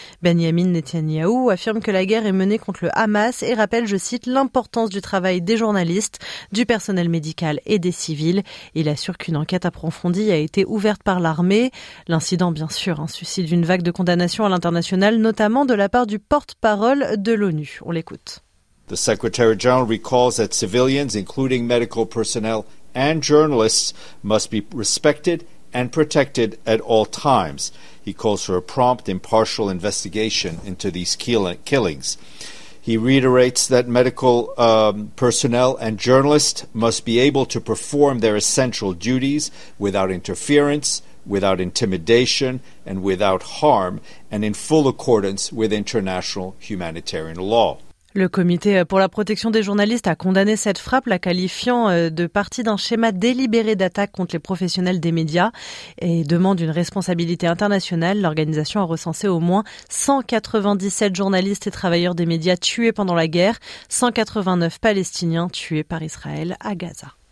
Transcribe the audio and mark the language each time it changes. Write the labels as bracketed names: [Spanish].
[French] Benjamin Netanyahou affirme que la guerre est menée contre le Hamas et rappelle, je cite, l'importance du travail des journalistes, du personnel médical et des civils. Il assure qu'une enquête approfondie a été ouverte par l'armée. L'incident, bien sûr, suscite une vague de condamnations à l'international, notamment de la part du porte-parole de l'ONU. On l'écoute. [English] The Secretary General recalls that civilians, including medical personnel and journalists, must be respected and protected at all times. He calls for a prompt, impartial investigation into these killings. He reiterates that medical personnel and journalists must be able to perform their essential duties without interference, without intimidation and without harm, and in full accordance with international humanitarian law. [French] Le Comité pour la protection des journalistes a condamné cette frappe, la qualifiant de partie d'un schéma délibéré d'attaque contre les professionnels des médias et demande une responsabilité internationale. L'organisation a recensé au moins 197 journalistes et travailleurs des médias tués pendant la guerre, 189 Palestiniens tués par Israël à Gaza.